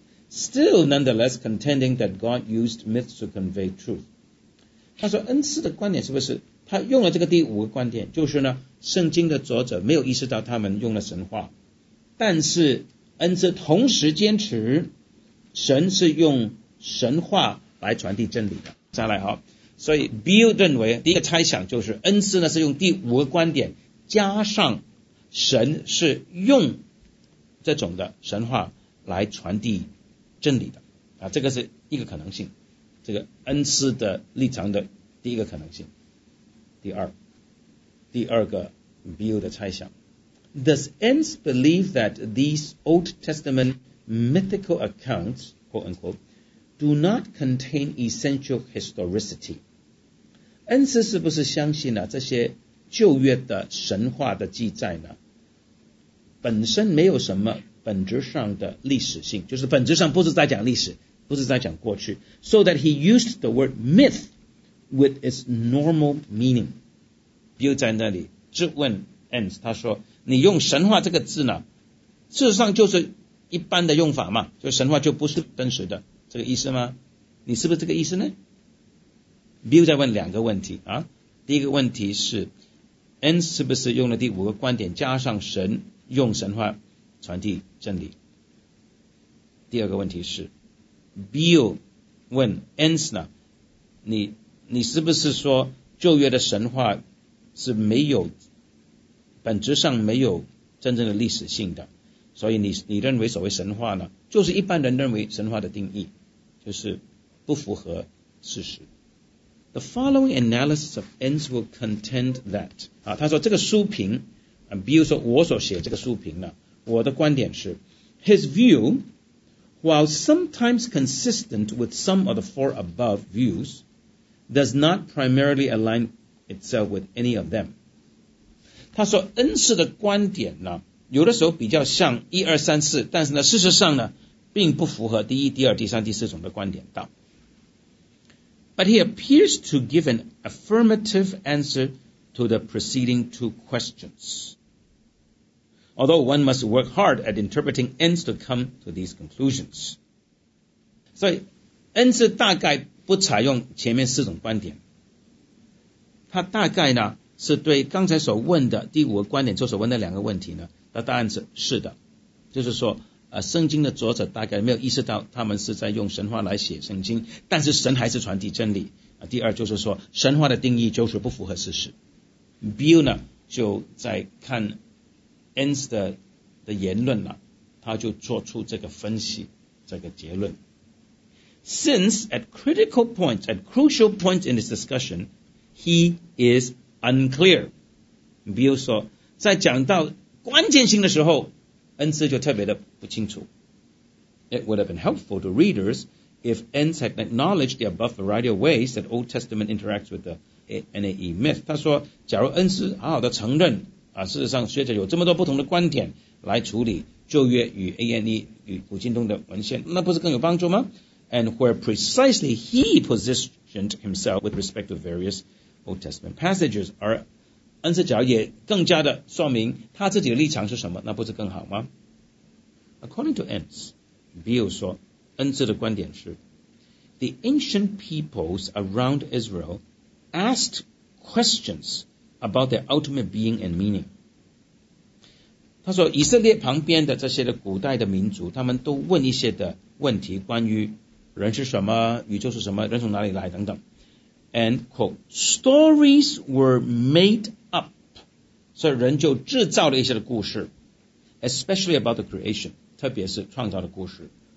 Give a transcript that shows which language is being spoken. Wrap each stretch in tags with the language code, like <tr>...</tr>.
<en>Still, nonetheless, contending that God used myths to convey truth.</en> <zh>他说恩赐的观点是不是他用了这个第五个观点，就是呢圣经的作者没有意识到他们用了神话，但是恩赐同时坚持神是用神话来传递真理的。再来哈，所以 Bill 认为第一个猜想就是恩赐呢是用第五个观点加上神是用这种的神话来传递真理的啊，这个是一个可能性，这个恩赐的立场的第一个可能性。第二个 Bill 的猜想，</zh> <en>Does Ence believe that these Old Testament mythical accounts quote unquote do not contain essential historicity？</en> <zh>恩赐是不是相信呢、啊、这些旧约的神话的记载呢本身没有什么本质上的历史性，就是本质上不是在讲历史，不是在讲过去。</zh> <en>So that he used the word myth with its normal meaning。</en> <zh>Bill 在那里质问 Ames， 他说你用神话这个字呢事实上就是一般的用法嘛，就神话就不是真实的这个意思吗？你是不是这个意思呢？ Bill 在问两个问题啊，第一个问题是 Ames 是不是用了第五个观点加上神用神话传递真理。第二个问题是 Bill 问 Ens 呢， 你是不是说旧约的神话是没有本质上没有真正的历史性的，所以 你认为所谓神话呢就是一般人认为神话的定义，就是不符合事实。</zh> <en>The following analysis of Ens will contend that、</en> <zh>啊、他说这个书评比如说我所写这个书评呢，我的观点是</zh> <en>His view while sometimes consistent with some of the four above views does not primarily align itself with any of them。</en> <zh>他说恩赐的观点呢有的时候比较像一二三四，但是呢事实上呢并不符合第一第二第三第四种的观点道。</zh> <en>But he appears to give an affirmative answer to the preceding two questionsAlthough one must work hard at interpreting ends to come to these conclusions.</en> <zh>所以 ends 大概不采用前面四种观点，他大概呢是对刚才所问的第五个观点就所问的两个问题呢的答案是是的，就是说圣经的作者大概没有意识到他们是在用神话来写圣经，但是神还是传递真理、啊、第二就是说神话的定义就是不符合事实。 Bill 呢就在看Ens 的言论呢、啊、他就做出这个分析这个结论。</zh> <en>Since at critical points, at crucial points in this discussion, he is unclear.</en> <zh>比如说在讲到关键性的时候恩赐就特别的不清楚。</zh> <en>It would have been helpful to readers if Ens had acknowledged the above variety of ways that Old Testament interacts with the NAE myth.</en> <zh>他说假如恩赐好好的承认啊、事实上学者有这么多不同的观点来处理旧约与 ANE 与古今东的文献，那不是更有帮助吗？</zh> <en>And where precisely he positioned himself with respect to various Old Testament passages，</en> <zh>而恩赐角也更加的说明他自己的立场是什么，那不是更好吗？</zh> <en>According to Ens，</en> <zh>比如说恩赐的观点是</zh> <en>The ancient peoples around Israel asked questionsabout their ultimate being and meaning。</en> <zh>他说以色列旁边的这些的古代的民族他们都问一些的问题，关于人是什么，宇宙是什么，人从哪里来等等。</zh> <en>And quote stories were made up，</en> <zh>所以人就制造了一些的故事，</zh> <en>especially about the creation，</en> <zh>特别是创造的故事。</zh>